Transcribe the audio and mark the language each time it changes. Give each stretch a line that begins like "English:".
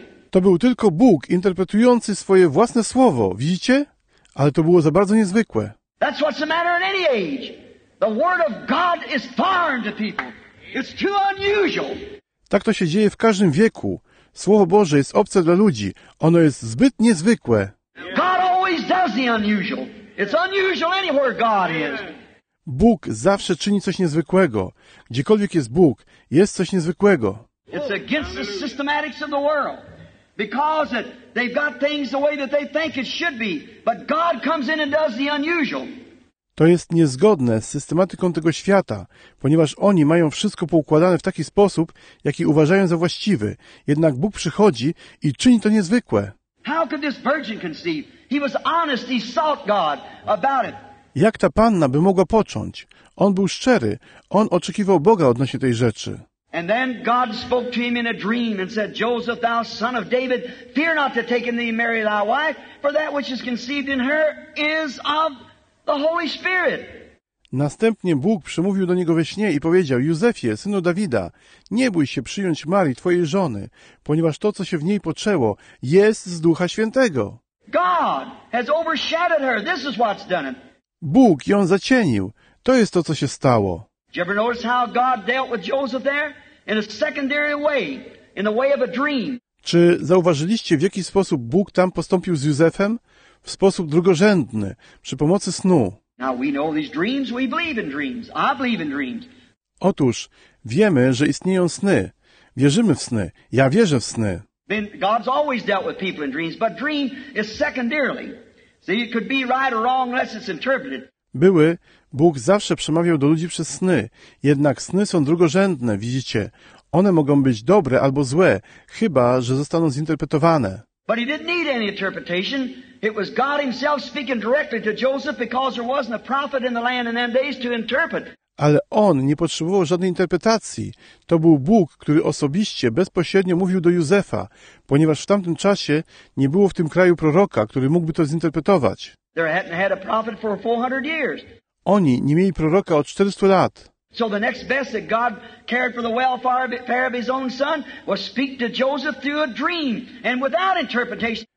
Polish: To był tylko Bóg interpretujący swoje własne słowo, widzicie? Ale to było za bardzo niezwykłe.
English: That's what's the matter in any age. The word of God is foreign to people. It's too unusual.
Polish: Tak to się dzieje w każdym wieku. Słowo Boże jest obce dla ludzi. Ono jest zbyt niezwykłe.
English: God always does the unusual. It's unusual anywhere God is.
Polish: Bóg zawsze czyni coś niezwykłego. Gdziekolwiek jest Bóg, jest coś niezwykłego.
English: It's against the systematics of the world. Because they've got things the way that they think it should be. But God comes in and does the unusual.
Polish: To jest niezgodne z systematyką tego świata, ponieważ oni mają wszystko poukładane w taki sposób, jaki uważają za właściwy. Jednak Bóg przychodzi i czyni to niezwykłe.
English: How could this virgin conceive? He was honest, he sought God about it.
Polish: Jak ta panna by mogła począć? On był szczery, on oczekiwał Boga odnośnie tej rzeczy.
English: And then God spoke to him in a dream and said, Joseph, thou son of David, fear not to take in thee Mary thy wife, for that which is conceived in her is of the Holy Spirit.
Polish: Następnie Bóg przemówił do niego we śnie i powiedział, Józefie, synu Dawida, nie bój się przyjąć Marii, twojej żony, ponieważ to, co się w niej poczęło, jest z Ducha Świętego.
English: God has overshadowed her. This is what's done it.
Polish: Bóg ją zacienił. To jest to, co się stało.
English: Did you ever notice how God dealt with Joseph there? In a secondary way, in the way of a dream.
Polish: Czy zauważyliście, w jaki sposób Bóg tam postąpił z Józefem? W sposób drugorzędny, przy pomocy snu.
English: Now we know these dreams, we believe in dreams. I believe in dreams.
Polish: Otóż, wiemy, że istnieją sny. Wierzymy w sny. Ja wierzę w sny.
English: Then God's always dealt with people in dreams, but dream is secondarily. See, it could be right or wrong unless it's interpreted.
Polish: Były, Bóg zawsze przemawiał do ludzi przez sny. Jednak sny są drugorzędne, widzicie. One mogą być dobre albo złe, chyba że zostaną zinterpretowane.
English: But he didn't need any interpretation. It was God himself speaking directly to Joseph because there wasn't a prophet in the land in them days to interpret.
Polish: Ale on nie potrzebował żadnej interpretacji. To był Bóg, który osobiście, bezpośrednio mówił do Józefa, ponieważ w tamtym czasie nie było w tym kraju proroka, który mógłby to zinterpretować.
English: They hadn't had a prophet for 400 years.
Polish: Oni nie mieli proroka od 400 lat.
English: So the next best that God cared for the welfare of his own son was speak to Joseph through a dream and without interpretation.